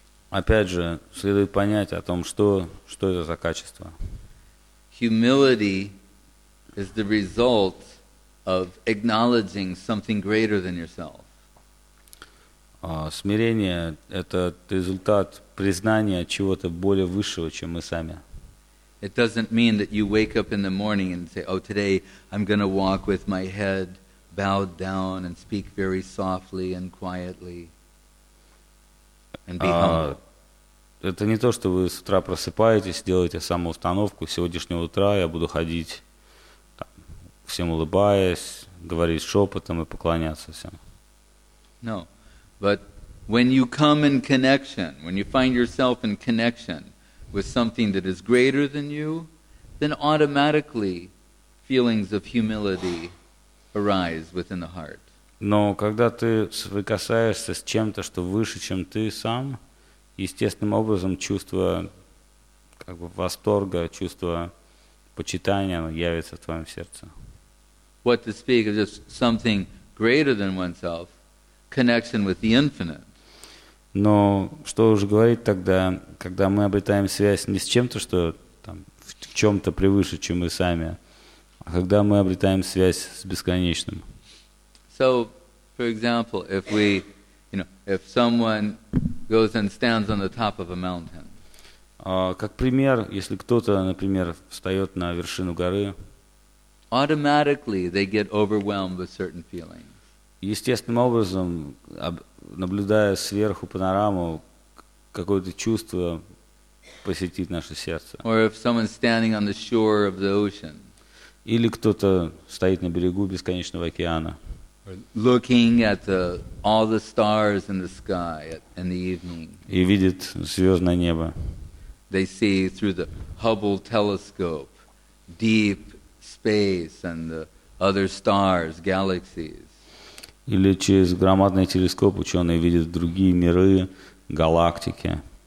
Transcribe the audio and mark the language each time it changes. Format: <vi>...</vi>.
<ru>Опять же, следует понять о том, что это за качество.</ru> <en>Humility is the result of acknowledging something greater than yourself.</en> <ru>Смирение – это результат признания чего-то более высшего, чем мы сами.</ru> <en>It doesn't mean that you wake up in the morning and say, oh, today I'm going to walk with my head bowed down and speak very softly and quietly and be humble.</en> <ru>Это не то, что вы с утра просыпаетесь, делаете самоустановку. С сегодняшнего утра я буду ходить, там, всем улыбаясь, говорить шепотом и поклоняться всем.</ru> <en>No, but when you come in connection, when you find yourself in connection with something that is greater than you, then automatically feelings of humility arise within the heart.</en> <ru>Но когда ты соприкасаешься с чем-то, что выше, чем ты сам, естественным образом чувство восторга, чувство почитания явится в твоем сердце.</ru> <en>What to speak of just something greater than oneself, connection with the infinite.</en> <ru>Но что уже говорить тогда, когда мы обретаем связь не с чем-то, что там в чем-то превыше, чем мы сами, а когда мы обретаем связь с бесконечным.</ru> <en>So, for example, if we, you know, if someone goes and stands on the top of a mountain.</en> <ru>Как пример, если кто-то, например, встает на вершину горы,</ru> <en>automatically they get overwhelmed with certain feelings.</en> <ru>Естественным образом, наблюдая сверху панораму, какое-то чувство посетит наше сердце.</ru> <en>Or if someone's standing on the shore of the ocean.</en> <ru>Или кто-то стоит на берегу бесконечного океана.</ru> <en>Looking at all the stars in the sky in the evening.</en> <ru>И видит звездное небо.</ru> <en>They see through the Hubble telescope deep space and the other stars, galaxies.</en> <ru>Или через громадный телескоп ученые видят другие миры, галактики.</ru>